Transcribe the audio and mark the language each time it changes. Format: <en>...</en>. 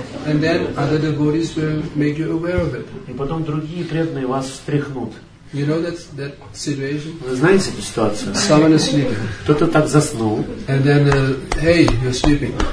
<en>And then other devotees will make you aware of it.</en> <ru>И потом другие преданные вас встряхнут.</ru> <en>You know that situation?</en> <ru>Вы знаете эту ситуацию?</ru> <en>Someone is sleeping.</en> <ru>Кто-то так заснул.</ru> <en>And then, hey, you're sleeping.</en>